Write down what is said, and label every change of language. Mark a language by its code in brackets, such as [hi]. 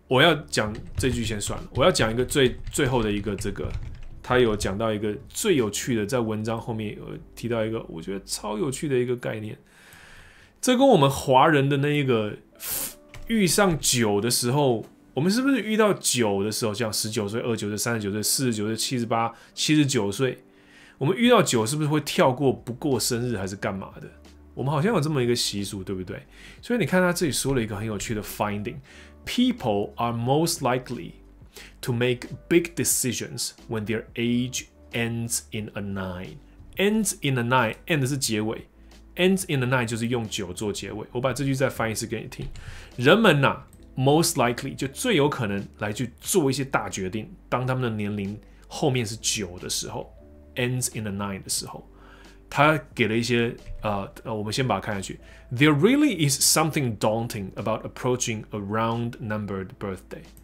[zh] 我要讲这句先算了，我要讲一个最后的一个这个，他有讲到一个最有趣的，在文章后面有提到一个我觉得超有趣的一个概念，这跟我们华人的那一个遇上酒的时候，我们是不是遇到酒的时候，像19岁、29岁、39岁、49岁、78、79岁，我们遇到酒是不是会跳过不过生日还是干嘛的？我们好像有这么一个习俗，对不对？所以你看他这里说了一个很有趣的 finding。 [en] People are most likely to make big decisions when their age ends in a nine. Ends in a nine, end 是结尾，ends in a nine 就是用九做结尾。 [zh] 我把这句再翻一次给你听。人们呐、 most likely 就最有可能来去做一些大决定，当他们的年龄后面是九的时候 ， ends in a nine 的时候。他给了一些我们先把它看下去。 [en] There really is something daunting about approaching a round numbered birthday。